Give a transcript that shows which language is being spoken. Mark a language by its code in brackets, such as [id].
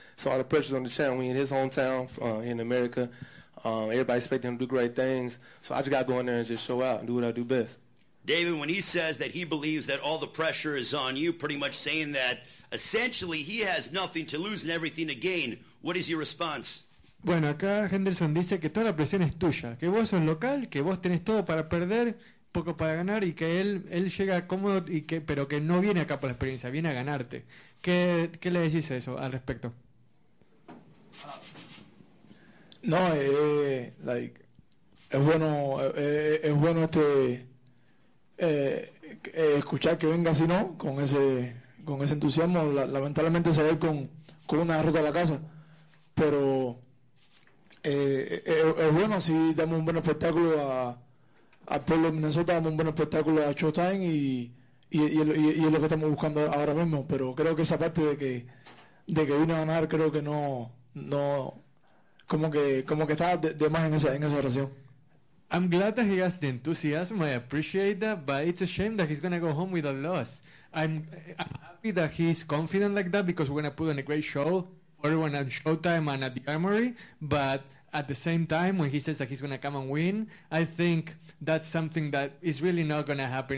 [en] So all the pressure's on the champ. We in his hometown in America. Everybody's expecting him to do great things. So I just got to go in there and just show out and do what I do best. David, when he says that he believes that all the pressure is on you, pretty much saying that essentially he has nothing to lose and everything to gain, what is your response? [es] Bueno, acá Henderson dice que toda la presión es tuya, que vos sos local, que vos tenés todo para perder, poco para ganar, y que él llega cómodo, y que, pero que no viene acá por la experiencia, viene a ganarte. ¿Qué le decís a eso al respecto? No, es bueno escuchar que venga, si no, con ese entusiasmo, lamentablemente se ve con una derrota a la casa. Pero es bueno si damos un buen espectáculo a pueblo de Minnesota, damos un buen espectáculo a Showtime y es lo que estamos buscando ahora mismo. Pero creo que esa parte de que vine a ganar, creo que no como que está de más en esa relación. [en] I'm glad that he has the enthusiasm, I appreciate that, but it's a shame that he's going to go home with a loss. I'm happy that he's confident like that because we're going to put on a great show for everyone at Showtime and at the Armory, but at the same time, when he says that he's going to come and win, I think that's something that is really not going to happen.